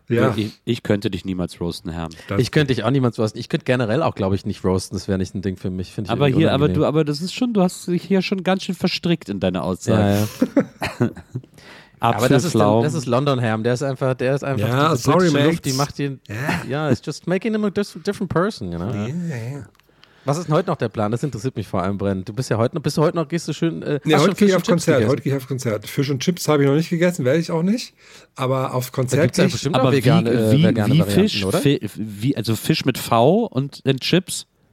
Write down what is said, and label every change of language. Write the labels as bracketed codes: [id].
[de] Ja. Ich könnte dich niemals roasten, Herr. Ich könnte dich auch niemals roasten. Ich könnte generell auch, glaube ich, nicht roasten. Das wäre nicht ein Ding für mich. Finde ich aber hier, unangenehm. Aber das ist schon, du hast dich hier schon ganz schön verstrickt in deine Aussage. Ja. Aber das ist London Herm, der ist einfach ja, sorry, Luft, die macht ihn. [en] Ja, it's just making him a different person, you know? Yeah. [de] Was ist denn heute noch der Plan? Das interessiert mich vor allem brennend. Du bist ja heute noch, gehst du schön. Heute gehe ich auf Konzert. Fisch und Chips habe ich noch nicht gegessen, werde ich auch nicht. Aber auf Konzert gehe ich. Ja, aber wie Fisch? Also Fisch mit V und dann Chips?